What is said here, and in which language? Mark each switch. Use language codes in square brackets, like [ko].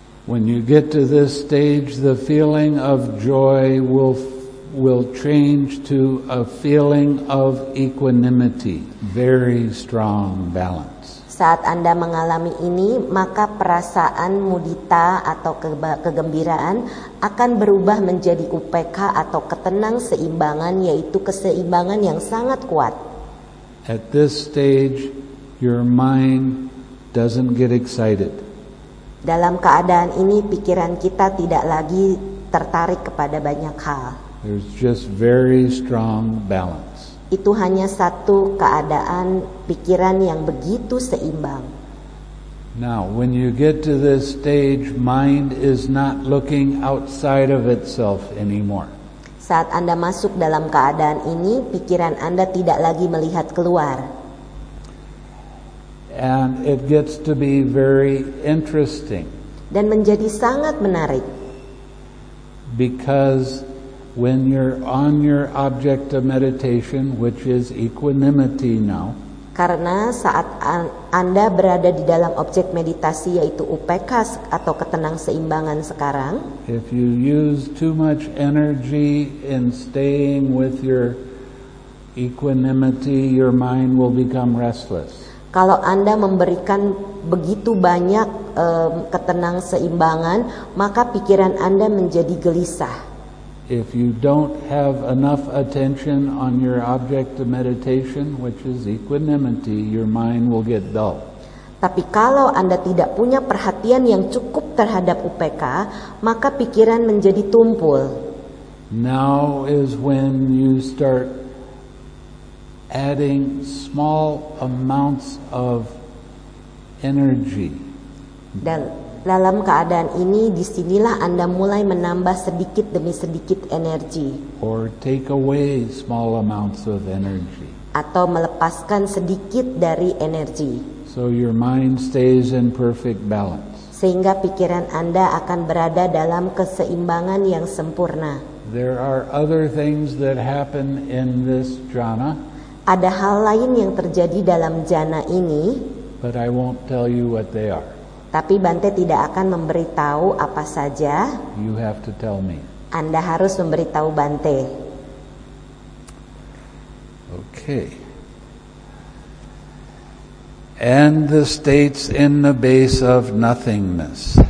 [en] When you get to this stage, the feeling of joy will change to a feeling of equanimity, very strong balance. [id] Saat Anda mengalami ini, maka perasaan mudita atau kegembiraan akan berubah menjadi upekkha atau ketenang seimbangan, yaitu keseimbangan yang sangat kuat. [en] At this stage, your mind doesn't get excited. [id] Dalam keadaan ini, pikiran kita tidak lagi tertarik kepada banyak hal. [en] There's just very strong balance. [id] Itu hanya satu keadaan pikiran yang begitu seimbang. [en] Now, when you get to this stage, mind is not looking outside of itself anymore. [id] Saat Anda masuk dalam keadaan ini, pikiran Anda tidak lagi melihat keluar. [en] And it gets to be very interesting. [id] Dan menjadi sangat menarik. [en] Because when you're on your object of meditation, which is equanimity now. [id] Karena saat Anda berada di dalam objek meditasi, yaitu upekkha atau ketenang seimbangan sekarang. [en] If you use too much energy in staying with your equanimity, your mind will become restless. [id] Kalau Anda memberikan begitu banyak ketenang seimbangan, maka pikiran Anda menjadi gelisah. [en] If you don't have enough attention on your object of meditation, which is equanimity, your mind will get dull. [id] Tapi kalau Anda tidak punya perhatian yang cukup terhadap upekkha, maka pikiran menjadi tumpul. [en] Now is when you start adding small amounts of energy. [id] Dalam keadaan ini, disinilah Anda mulai menambah sedikit demi sedikit energi. [en] Or take away small amounts of energy. [id] Atau melepaskan sedikit dari energi. [en] So your mind stays in perfect balance. [id] Sehingga pikiran Anda akan berada dalam keseimbangan yang sempurna. [en] There are other things that happen in this jhana. [id] Ada hal lain yang terjadi dalam jhana ini. [en] But I won't tell you what they are. [id] Tapi Bante tidak akan memberitahu apa saja. [en] You have to tell me. [id] Anda harus memberitahu Bante. [en] Okay. And the states in the base of nothingness.